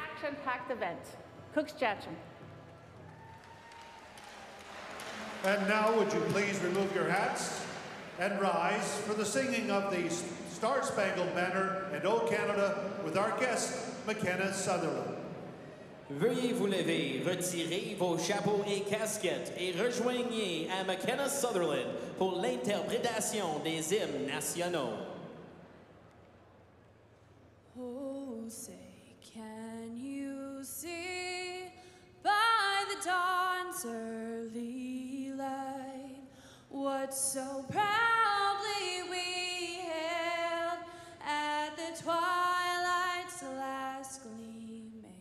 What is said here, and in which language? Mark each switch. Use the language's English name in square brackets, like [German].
[English] Action-packed event. Cooks Jatcham. And now, would you please remove your hats and rise for the singing of the Star Spangled Banner and O Canada with our guest, McKenna Sutherland. [French] Veuillez vous lever, retirez vos chapeaux et casquettes et rejoignez à McKenna Sutherland pour l'interprétation des hymnes nationaux. [English] Oh, say can you see by the dawn's early light what so proudly we hailed at the twilight's last gleaming,